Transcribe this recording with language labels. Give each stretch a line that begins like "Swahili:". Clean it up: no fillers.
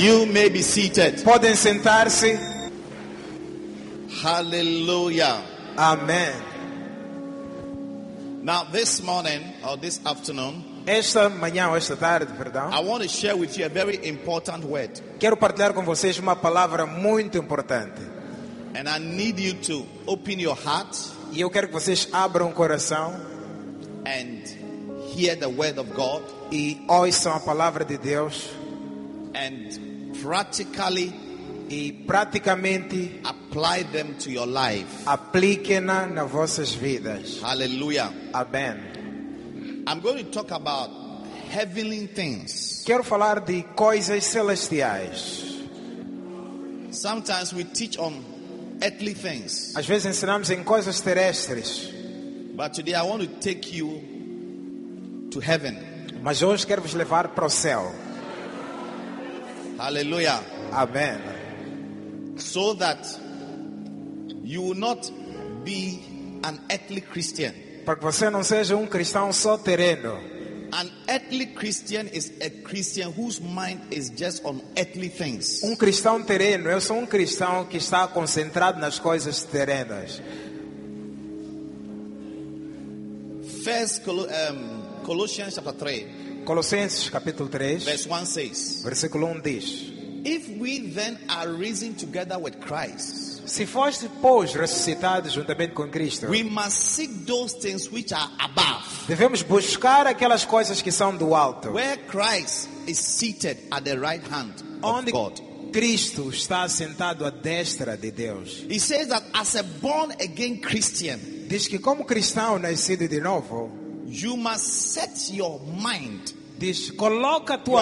English: You may be seated.
Portuguese: Podem sentar-se. Hallelujah. Amen.
English: Now this morning or this afternoon,
Portuguese: esta manhã ou esta tarde, perdão,
English: I want to share with you a very important word.
Portuguese: Quero partilhar com vocês uma palavra muito importante.
English: And I need you to open your heart.
Portuguese: E eu quero que vocês abram o coração
English: and hear the word of God.
Portuguese: E ouçam a palavra de Deus.
English: And practically,
Portuguese: e praticamente,
English: apply them to your life.
Portuguese: Apliquem-na nas vossas vidas. Hallelujah. Amen.
English: I'm going to talk about heavenly things.
Portuguese: Quero falar de coisas celestiais.
English: Sometimes we teach on earthly things.
Portuguese: Às vezes ensinamos em coisas terrestres.
English: But today I want to take you to heaven.
Portuguese: Mas hoje quero vos levar para o céu. Hallelujah. Amen.
English: So that you will not be an earthly Christian.
Portuguese: Para que você não seja cristão só terreno.
English: An earthly Christian is a Christian whose mind is just on earthly things.
Portuguese: Cristão terreno, eu sou cristão que está concentrado nas coisas terrenas.
English: First Colossians chapter 3.
Portuguese: Colossenses capítulo 3.
English: Verse 1 says.
Portuguese: Versículo 1 diz:
English: If we then are risen together with Christ,
Portuguese: se foste pois ressuscitado juntamente com Cristo,
English: we must seek those things which are above.
Portuguese: Devemos buscar aquelas coisas que são do alto.
English: Where Christ is seated at the right hand of God.
Portuguese: Cristo está sentado à destra de Deus.
English: He says that as a born again Christian,
Portuguese: diz que como cristão nascido de novo,
English: you must set your mind.
Portuguese: Diz, coloca tua